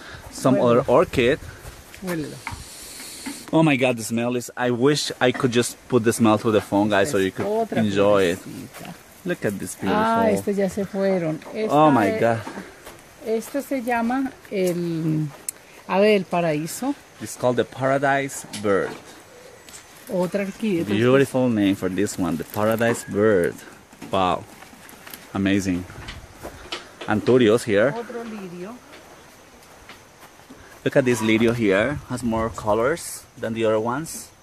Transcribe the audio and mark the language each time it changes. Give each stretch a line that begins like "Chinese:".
English: Some other orchid. Oh my God, the smell is... I wish I could just put the smell through the phone, guys, so you could enjoy it. Look at this beautiful...
Spanish: Ah, estos ya se fueron. Esta,
English: oh my God.
Spanish: Esto se llama el ave del paraíso.
English: It's called the paradise bird.
Spanish: Otra orquídea.
English: Beautiful name for this one, the paradise bird. Wow. Amazing. Anturios here.
Spanish: Otro lirio.
English: Look at this lirio here, has more colors than the other ones.